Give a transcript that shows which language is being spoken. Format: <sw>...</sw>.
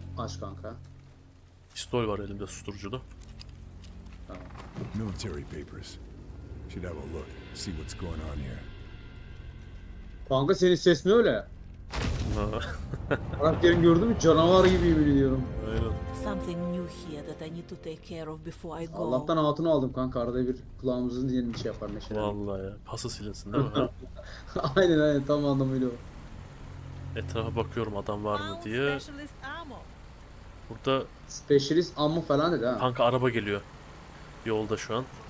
<tr>Aç kanka. Pistol var elimde susturuculu. Tamam.</tr> <en>Military papers. Should have a look. See what's going on here.</en> <tr>Kanka senin ses ne öyle? Karakterin gördün mü? Canavar gibi yemin ediyorum. Aynen.</tr> <en>Something new here that I need to take care of before I go.</en> <tr>Allah'tan altını aldım kanka. Arada bir kulağımızın yerini şey yapar neşe. Vallahi ya. Pası silinsin değil mi? Aynen aynen tam anlamıyla o. Etrafa bakıyorum adam var mı diye. Burada</tr> <en>specialist ammo</en> <tr>falan dedi ha. Kanka araba geliyor. Yolda şu an.</tr>